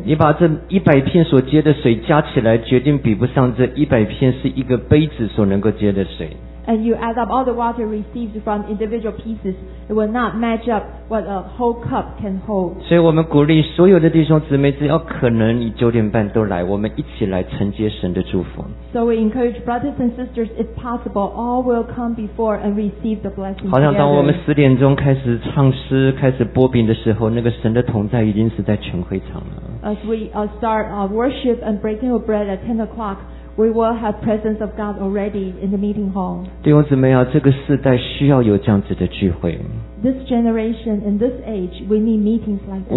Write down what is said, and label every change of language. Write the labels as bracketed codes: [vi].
[zh] 你把这一百片所接的水加起来，绝对比不上这一百片是一个杯子所能够接的水。 [en] And you add up all the water received from individual pieces, it will not match up what a whole cup can hold. [zh] 所以我们鼓励所有的弟兄姊妹，只要可能，你九点半都来，我们一起来承接神的祝福。 [en] So we encourage brothers and sisters, if possible, all will come before and receive the blessing. [zh] 好像当我们十点钟开始唱诗、开始擘饼的时候，那个神的同在已经是在全会场了。 [en] As we start our worship and breaking of bread at 10 o'clock. We will have presence of God already in the meeting hall. [zh] 弟兄姊妹啊，这个世代需要有这样子的聚会。 [en] This generation in this age, we need meetings like that.